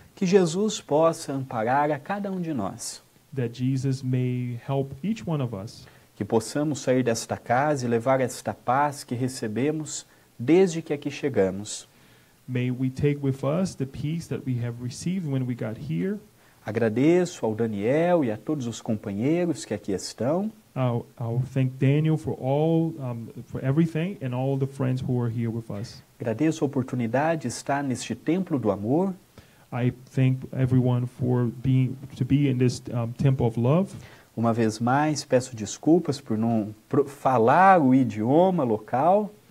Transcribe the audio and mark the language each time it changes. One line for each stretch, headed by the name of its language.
Portuguese: Que Jesus possa amparar a cada um de nós.
English: That Jesus may help each one of us.
Portuguese: Que possamos sair desta casa e levar esta paz que recebemos desde que aqui chegamos.
English: May we take with us the peace that we have received when we got here.
Portuguese: Agradeço ao Daniel e a todos os companheiros que aqui estão.
English: I'll thank Daniel for everything and all the friends who are here with us.
Portuguese: Agradeço a oportunidade de estar neste templo do amor.
English: I thank everyone for to be in this temple of love.
Portuguese: Uma vez mais, peço desculpas por não falar o idioma local.